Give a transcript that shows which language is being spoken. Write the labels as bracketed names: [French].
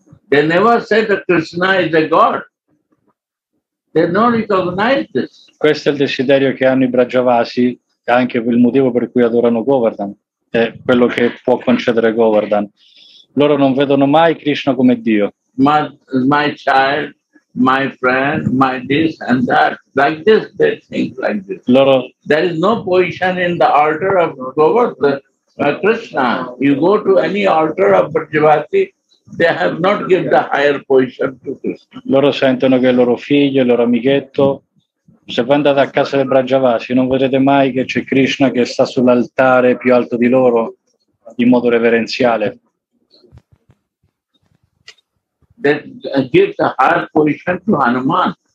[English] They never said that Krishna is a god. They don't recognize this. [Italian] Questo è il desiderio che hanno i Brajavasi, anche il motivo per cui adorano Govardhan, è quello che può concedere Govardhan. Loro non vedono mai Krishna come Dio. [English] My child, my friend, my this and that. Like this, they think like this. [Italian] Loro, [English] there is no position in the altar of Govardhan, Krishna. You go to any altar of Brajavasi, they have not given the higher position to Krishna. [Italian] Loro sentono che il loro figlio, il loro amichetto, se voi andate a casa dei Brajavasi, non vedete mai che c'è Krishna che sta sull'altare più alto di loro, in modo reverenziale. [English] That gives a higher position to Hanuman.